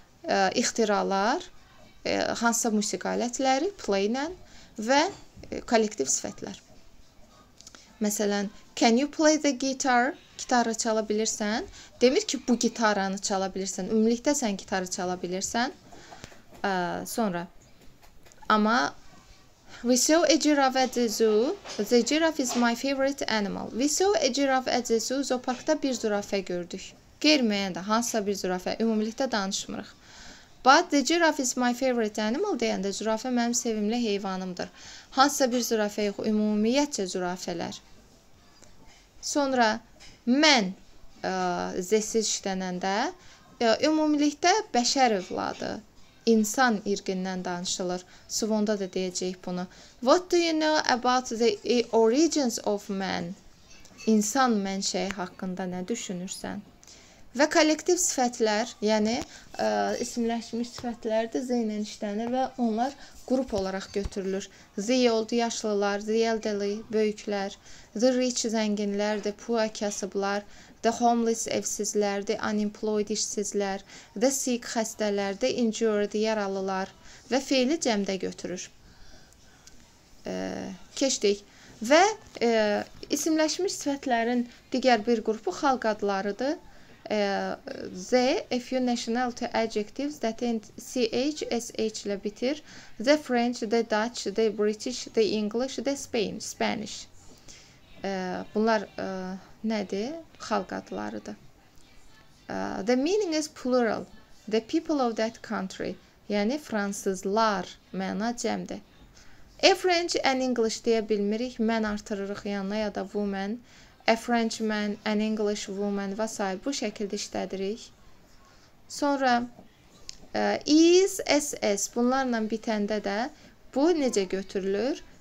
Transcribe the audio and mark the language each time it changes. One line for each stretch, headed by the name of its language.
Azerbaijani: ixtiralar, hansısa musiqi alətləri, play ilə və kollektiv sifətlər.
English: Məsələn, can you play the guitar?
Azerbaijani: Gitarı çala bilirsən. Demir ki, bu gitaranı çala bilirsən. Ümumilikdə sən gitarı çala bilirsən. Sonra.
English: Amma, we saw a giraffe at the zoo. The giraffe is my favorite animal. We saw a giraffe at the zoo.
Azerbaijani: Zooparkda bir zürafə gördük. Qeyrməyəndə, hansısa bir zürafə. Ümumilikdə danışmırıq.
English: But the giraffe is my favorite animal
Azerbaijani: deyəndə, zürafə mənim sevimli heyvanımdır. Hansısa bir zürafə yox, ümumiyyətcə zürafələr. Sonra mən zəsiz işlənəndə ümumilikdə bəşər övladı, insan irqindən danışılır. Suvonda da deyəcəyik bunu.
English: What do you know about the origins of man?
Azerbaijani: İnsan mənşəyi haqqında nə düşünürsən? Və kollektiv sifətlər, yəni isimləşmiş sifətlər də zeynən işlənir və onlar qrup olaraq götürülür.
English: The old, yaşlılar, the elderly, böyüklər, the rich, zənginlər, the poor, kasıblar, the homeless, evsizlər, the unemployed, işsizlər, the sick, xəstələr, the injured, yaralılar
Azerbaijani: və feili cəmdə götürür. Keçdik. Və isimləşmiş sifətlərin digər bir qrupu xalq adlarıdır.
English: They, a few nationality adjectives that end ch, sh
Azerbaijani: ilə bitir.
English: The French, the Dutch, the British, the English, the Spain, Spanish.
Azerbaijani: Bunlar nədir? Xalq adlarıdır.
English: The meaning is plural. The people of that country.
Azerbaijani: Yəni, fransızlar məna cəmdir.
English: A French and English
Azerbaijani: deyə bilmirik. Mən artırırıq yanına ya da woman.
English: A Frenchman, an English woman
Azerbaijani: və s. bu şəkildə işlədirik. Sonra is, ss bunlarla bitəndə də bu necə götürülür?